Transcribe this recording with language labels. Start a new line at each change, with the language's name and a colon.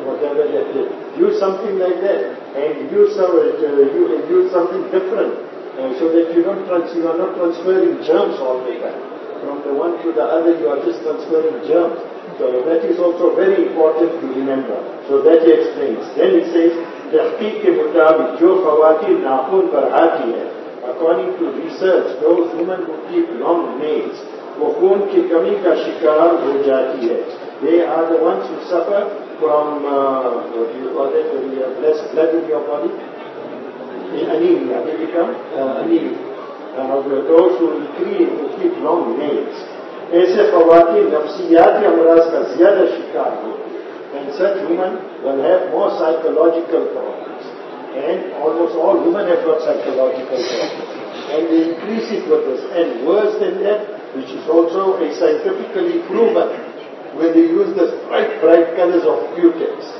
English: Whatever that is. Use something like that. And use something different. So that you are not transferring germs all the time. From the one to the other, you are just transferring germs. So that is also very important to remember. So that he explains. Then he says,
Urdu: تحقیق کے مطابق جو خواتین ناخن پر آتی ہے
English: according to research, those women who keep long nails,
Urdu: وہ خون کی کمی کا شکار ہو جاتی ہے.
English: They are the ones who suffer from what you call it, when you have less blood in your body, anemia, they become anemia. Those who increase, who keep long nails.
Urdu: ایسے خواتین نفسیات یا مرض کا زیادہ شکار ہو.
English: And such women will have more psychological problems. And almost all women have got psychological problems. And they increase it with this. And worse than that, which is also a scientifically proven, when they use the bright, bright colors of Q-tex.